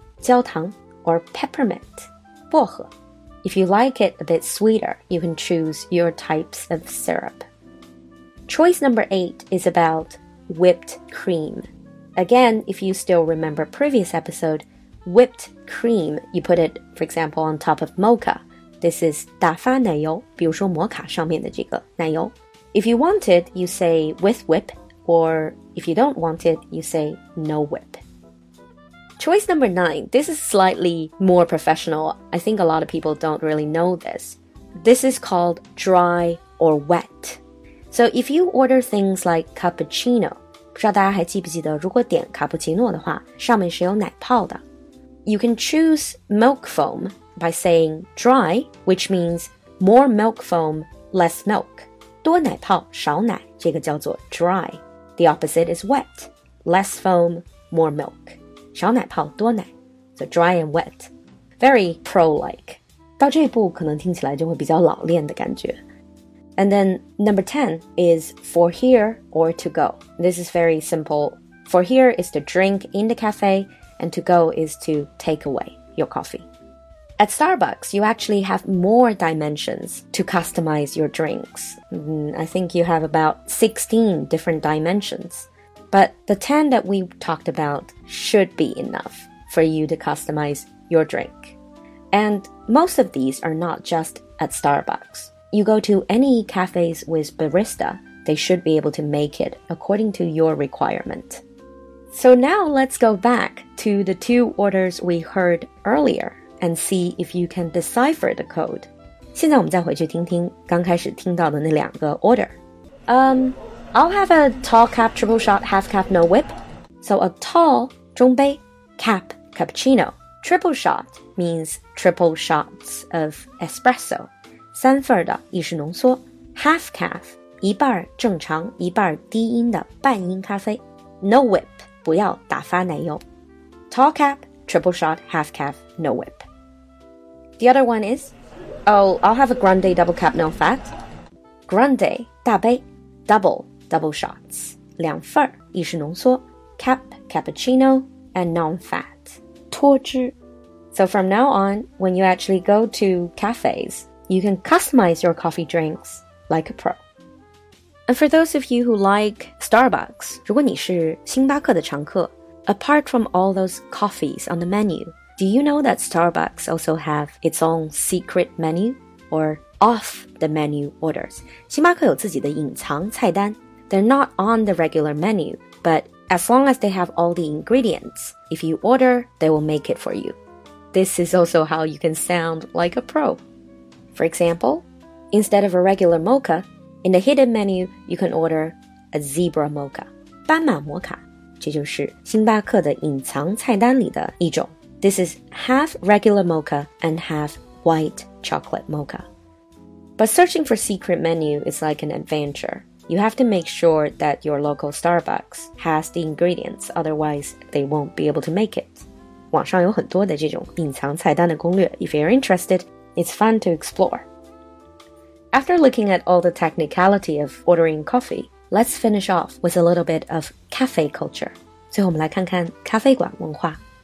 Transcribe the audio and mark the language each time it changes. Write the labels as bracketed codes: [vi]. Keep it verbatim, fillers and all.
[en] 焦糖, or peppermint, 薄荷. If you like it a bit sweeter, you can choose your types of syrup. Choice number eight is about whipped cream. Again, if you still remember previous episode, whipped cream, you put it, for example, on top of mocha. This is [zh] 打发奶油，比如说摩卡上面的这个奶油. [en] If you want it, you say with whip, or if you don't want it, you say no whip. Choice number nine, this is slightly more professional. I think a lot of people don't really know this. This is called dry or wet. So if you order things like cappuccino, [zh] 不知道大家还记不记得，如果点卡布奇诺的话，上面是有奶泡的。 [en] You can choose milk foam by saying dry, which means more milk foam, less milk. [zh] 多奶泡少奶，这个叫做 dry. [en] The opposite is wet, less foam, more milk. [zh] 少奶泡多奶 [en] so dry and wet. Very pro-like. [zh] 到这一步可能听起来就会比较老练的感觉。 [en] And then number ten is for here or to go. This is very simple. For here is to drink in the cafe, and to go is to take away your coffee. At Starbucks, you actually have more dimensions to customize your drinks. I think you have about sixteen different dimensions. But the ten that we talked about should be enough for you to customize your drink. And most of these are not just at Starbucks. You go to any cafes with barista, they should be able to make it according to your requirement. So now let's go back to the two orders we heard earlier and see if you can decipher the code. [zh] 现在我们再回去听听刚开始听到的那两个 order. [en] Um, I'll have a tall cap, triple shot, half cap, no whip. So a tall, 中杯, cap, cappuccino. Triple shot means triple shots of espresso. [zh] 三份的意式浓缩 [en] half calf [zh] 一半正常一半低音的半音咖啡 [en] no whip [zh] 不要打发奶油 [en] tall cap triple shot half calf no whip The other one is oh I'll have a grande double cap no fat grande 大杯 double double shots [zh] 两份意式浓缩 [en] cap cappuccino and non fat [zh] 脱脂 [en] So from now on when you actually go to cafes You can customize your coffee drinks like a pro. And for those of you who like Starbucks, [zh] 如果你是星巴克的常客, [en] apart from all those coffees on the menu, do you know that Starbucks also have its own secret menu or off-the-menu orders? [zh] 星巴克有自己的隐藏菜单. [en] They're not on the regular menu, but as long as they have all the ingredients, if you order, they will make it for you. This is also how you can sound like a pro. For example, instead of a regular mocha, in the hidden menu, you can order a zebra mocha. [zh] 斑马摩卡，这就是星巴克的隐藏菜单里的一种。 [en] This is half regular mocha and half white chocolate mocha. But searching for secret menu is like an adventure. You have to make sure that your local Starbucks has the ingredients, otherwise they won't be able to make it. [zh] 网上有很多的这种隐藏菜单的攻略。 [en] If you're interested,It's fun to explore. After looking at all the technicality of ordering coffee, let's finish off with a little bit of cafe culture. [zh] 最后我们来看看咖啡馆文化。